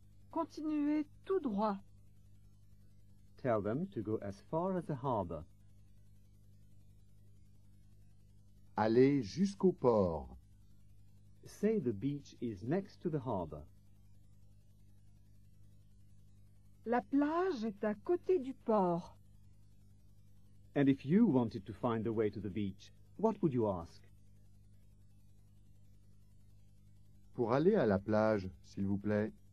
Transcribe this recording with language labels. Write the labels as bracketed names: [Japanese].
[French] Continuez tout droit. [English] Tell them to go as far as the harbor. [French] Allez jusqu'au port. [English] Say the beach is next to the harbor. [French] La plage est à côté du port. [English] And if you wanted to find the way to the beach, what would you ask? [French] Pour aller à la plage, s'il vous plaît.